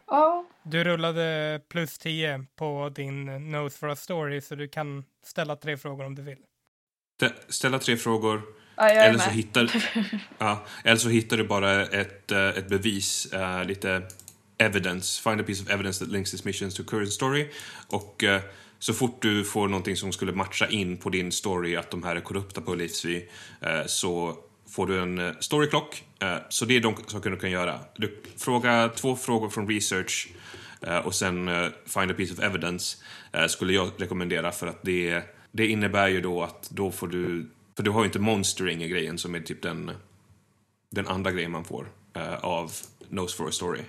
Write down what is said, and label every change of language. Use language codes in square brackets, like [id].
[sv] Ja. Oh. Du rullade plus 10 på din Nose for a Story, så du kan ställa 3 frågor om du vill. Ställa 3 frågor. Ja, eller så hittar. Ja, eller så hittar du bara ett bevis, lite evidence. [en] Find a piece of evidence that links this mission to current story. [sv] Och så fort du får någonting som skulle matcha in på din story att de här är korrupta på livsvy, så får du en story clock. Så det är de saker du kan göra. Du frågar 2 frågor från research och sen [en] find a piece of evidence [sv] skulle jag rekommendera, för att det innebär ju då att då får du, för du har ju inte monstering i grejen som är typ den andra grejen man får av Nose for a Story.